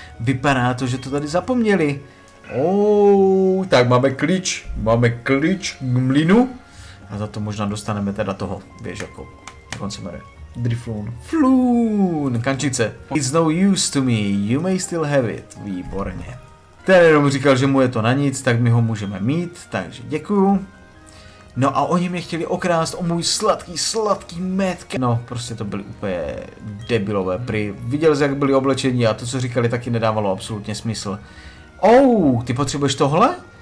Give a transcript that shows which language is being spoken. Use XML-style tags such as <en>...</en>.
<cs>Vypadá to, že to tady zapomněli. Oh, tak máme klíč k mlynu. A za to možná dostaneme teda toho, víš, jako, jak on se jmenuje? Drifloon. Floon, kančice.</cs> <en>It's no use to me, you may still have it.</en> <cs>Výborně. Ten jenom říkal, že mu je to na nic, tak my ho můžeme mít, takže děkuju. No a oni mě chtěli okrást o můj sladký metka. No, prostě to byly úplně debilové. Viděl jsi, jak byli oblečení a to, co říkali, taky nedávalo absolutně smysl. Ou, ty potřebuješ tohle?</cs>